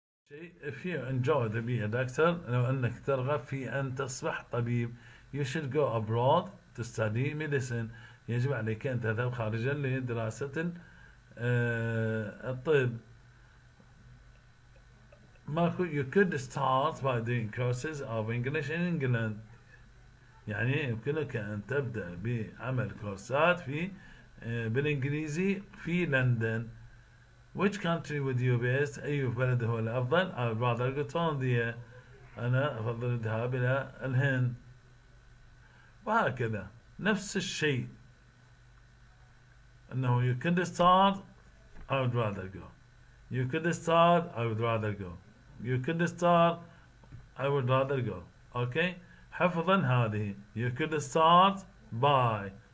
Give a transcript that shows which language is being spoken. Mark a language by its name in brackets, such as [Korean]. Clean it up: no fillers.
[English] If you enjoy to be a doctor, [Arabic] لو أنك ترغب في أن تصبح طبيب, [English] you should go abroad to study medicine. [Arabic] يجب عليك أن تذهب خارجا لدراسة الطب. [English] You could start by doing courses of English in England. [Arabic] يعني يمكنك أن تبدأ بعمل كورسات في بالإنجليزي في لندن. [English] Which country would you best? [Arabic] أي بلد هو الأفضل؟ [English] I'd rather go to India. [Arabic] أنا أفضل الذهاب إلى الهند. وهكذا نفس الشيء. [English] أنه you could start, I would rather go. You could start, I would rather go. You could start, I would rather go. Okay? [Arabic] حفظا هذه. [English] You could start by.